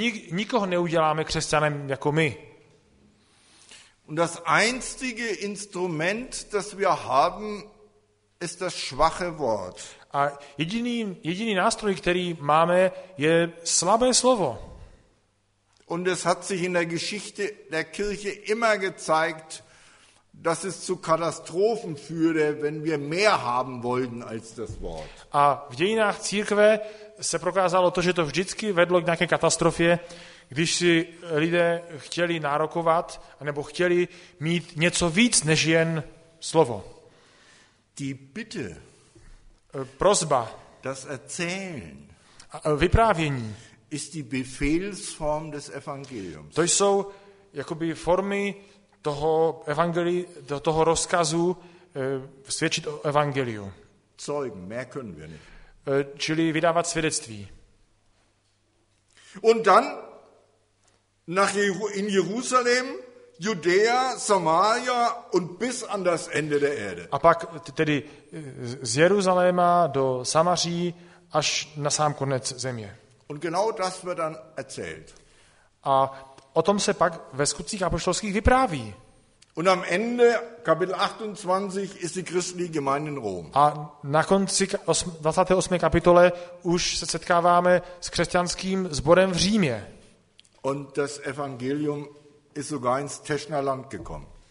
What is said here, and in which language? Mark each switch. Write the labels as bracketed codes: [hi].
[cs] Nikoho neuděláme křesťanem jako my. [de] Und das einzige Instrument, das wir haben, ist das schwache Wort. [cs] A jediný nástroj, který máme, je slabé slovo. [de] Und es hat sich in der Geschichte der Kirche immer gezeigt, dass es zu Katastrophen führte, wenn wir mehr haben wollten als das Wort. [cs] A v dějinách církve se prokázalo to, že to vždycky vedlo k nějaké katastrofě, když si lidé chtěli nárokovat nebo chtěli mít něco víc než jen slovo. [de] Die Bitte. [cs] Prosba. [de] Das Erzählen. [cs] Vyprávění. [de] Ist die Befehlsform des Evangeliums. [cs] To jsou jakoby formy toho evangelii, toho rozkazu svědčit o evangeliu. [de] Zeugen, mehr können wir nicht. [cs] Čili vydávat svědectví. [de] Und dann nach in Jerusalem, Judea, Samaria und bis an das Ende der Erde. [cs] A pak tedy z Jeruzaléma do Samaří až na sám konec země. [de] Und genau das wird dann erzählt. [cs] A o tom se pak ve Skutcích apoštolských vypráví. [de] Und am Ende Kapitel 28 ist die christliche Gemeinde in Rom. [cs] A na konci 28. kapitole už se setkáváme s křesťanským sborem v Římě. [de] Und das Evangelium ist sogar ins Teschnerland gekommen.